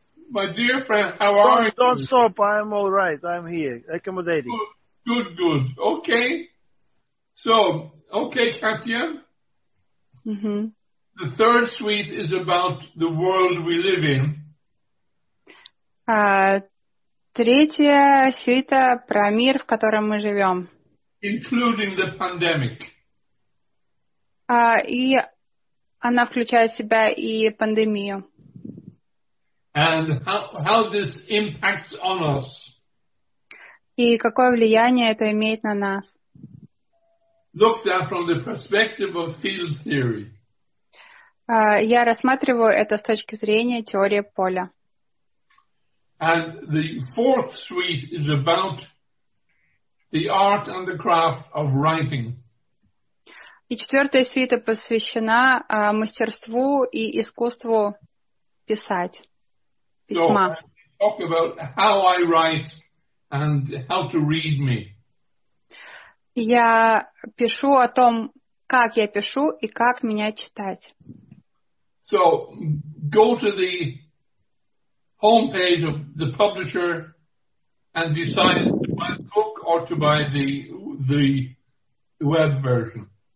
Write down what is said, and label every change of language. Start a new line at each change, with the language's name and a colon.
English: My dear friend, how are you? Don't stop. I'm all right. I'm here. Accommodating. Good, good. Okay. So, okay, Katya. Mm-hmm. The third suite is about the world we live in.
Russian: Третья сюита про мир, в котором мы живем.
English: Including the pandemic.
Russian: И она включает в себя и пандемию.
English: And how this impacts on us.
Russian: И какое влияние это имеет на нас.
English: Look that from the perspective of field theory.
Russian: Я рассматриваю это с точки зрения теории поля.
English: And the fourth suite is about the art and the craft of writing.
Russian: И четвертая сюита посвящена мастерству и искусству писать. Письма.
English: So, talk about how I write and how to read me.
Russian: Я пишу о том, как я пишу и как меня читать.
English: So, go to the homepage of the publisher and decide to buy the book or to buy the web version.